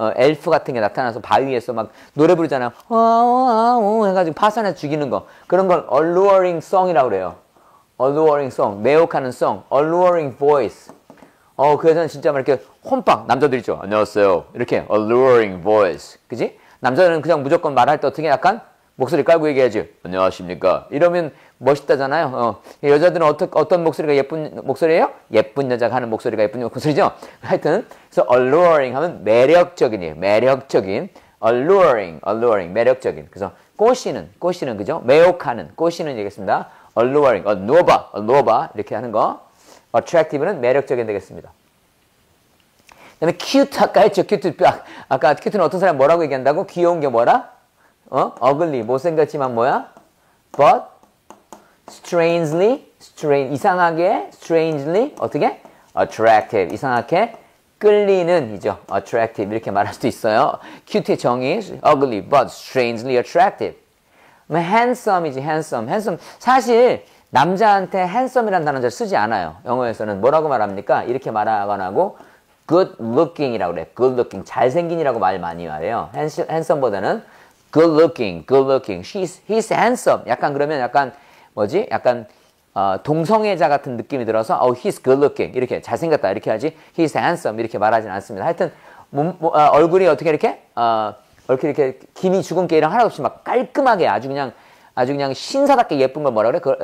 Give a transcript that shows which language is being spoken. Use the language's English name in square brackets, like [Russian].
[Korean] 엘프 같은 게 나타나서 바위에서 막 노래 부르잖아요. 와우, 해가지고 파산해서 죽이는 거. 그런 걸 alluring song이라고 그래요. [English] alluring song, 매혹하는 song, alluring voice. [Korean] 그 여자는 진짜 막 이렇게 혼빵, 남자들이죠. 안녕하세요. 이렇게 alluring voice. 그지? 남자는 그냥 무조건 말할 때 어떻게 약간 목소리 깔고 얘기해야지. 안녕하십니까. 이러면 멋있다잖아요. 여자들은 어떤 목소리가 예쁜 목소리예요? 예쁜 여자가 하는 목소리가 예쁜 목소리죠? 하여튼, so alluring 하면 매력적인이에요. 매력적인. alluring, alluring. 매력적인. 그래서 꼬시는, 꼬시는 그죠? 매혹하는, 꼬시는 얘기했습니다. alluring, 누워봐, 누워봐. 이렇게 하는 거. attractive는 매력적인 되겠습니다. 그 다음에 cute 아까 했죠. cute 아까 cute는 어떤 사람이 뭐라고 얘기한다고? 귀여운 게 뭐라? ugly 못생겼지만 뭐야? [English] but strangely strange 이상하게 strangely 어떻게? attractive 이상하게 [Korean] 끌리는이죠. [English] Attractive [Korean] 이렇게 말할 수도 있어요. [English] Cute의 정의 ugly but strangely attractive. [Korean] 그러면 handsome이지 handsome. Handsome 사실 남자한테 handsome이라는 단어를 쓰지 않아요. 영어에서는 뭐라고 말합니까? 이렇게 말하거나 하고 good looking이라고 그래. Good looking 잘생긴이라고 말 많이 말해요. [English] Handsome보다는 good looking, good looking. He's handsome. [Korean] 약간 그러면 약간 뭐지? 약간 동성애자 같은 느낌이 들어서 [English] oh, he's good looking [Korean] 이렇게 잘생겼다 이렇게 하지 [English] he's handsome [Korean] 이렇게 말하진 않습니다. 하여튼 얼굴이 어떻게 이렇게 얼굴이 이렇게 김이 죽은 게 이런 하나 없이 막 깔끔하게 아주 그냥 신사답게 예쁜 걸 뭐라 그래?